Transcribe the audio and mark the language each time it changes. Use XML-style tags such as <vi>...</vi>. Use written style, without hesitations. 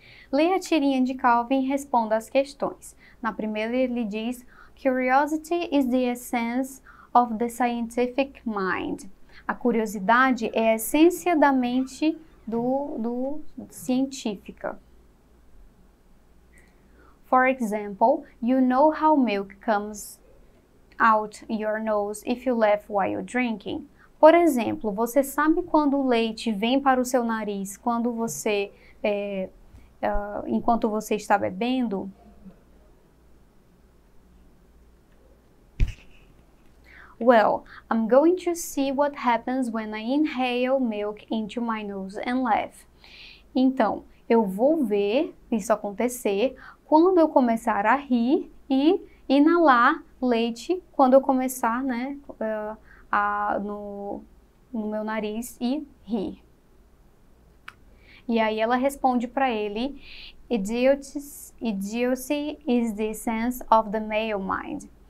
<pt>Leia a tirinha de Calvin e responda às questões. Na primeira, ele diz:</pt> <en>Curiosity is the essence of the scientific mind.</en> <pt>A curiosidade é a essência da mente do científica.</pt> <en>For example, you know how milk comes out your nose if you laugh while drinking.</en> <pt>Por exemplo, você sabe quando o leite vem para o seu nariz quando você enquanto você está bebendo?</pt> <en>Well, I'm going to see what happens when I inhale milk into my nose and laugh.</en> <pt>Então, eu vou ver isso acontecer quando eu começar a rir e inalar leite quando eu começar, né, no meu nariz e rir. E aí ela responde para ele:</pt> <en>Idiocy is the essence of the male mind.</en>